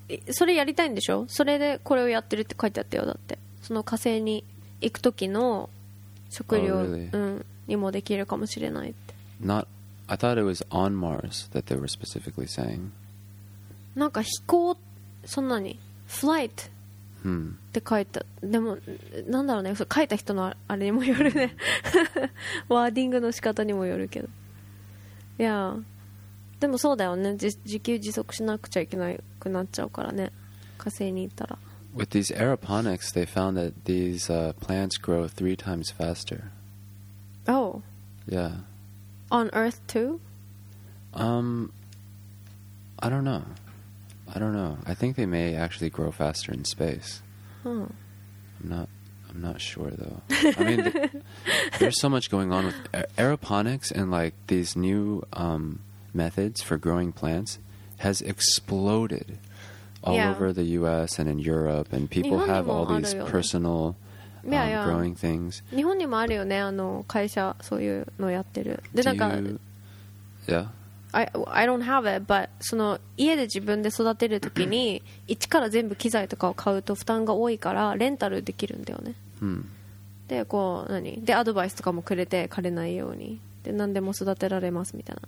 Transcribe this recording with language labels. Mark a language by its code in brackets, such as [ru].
[ja] それやりたいんでしょ。それでこれをやってるって書いてあったよ。だってその火星に行く時の食料、にもできるかもしれないって。 [en] Not, I thought it was on Mars that they were specifically saying. [ja] なんか飛行そんなに flight って書いた。でもなんだろうね、書いた人のあれにもよるね。ワーディングの仕方にもよるけど。いやー。でもそうだよね、自給自足しなくちゃいけなくなっちゃうからね、火星に行ったら。 [en] With these aeroponics, they found that these plants grow 3 times faster. Oh. Yeah. On Earth too? I don't know. I don't know. I think they may actually grow faster in space. I'm not sure though. I mean, there's so much going on with aeroponics and like these new methods for growing plants has exploded all over the US and in Europe, and people have all these personal growing things. [ja] 日本にもあるよね、あの会社そういうのやってる。でなんか、yeah? [en] I don't have it, but [ja] その家で自分で育てるときに一から全部機材とかを買うと負担が多いからレンタルできるんだよね。でこう何でアドバイスとかもくれて枯れないようにで何でも育てられますみたいな。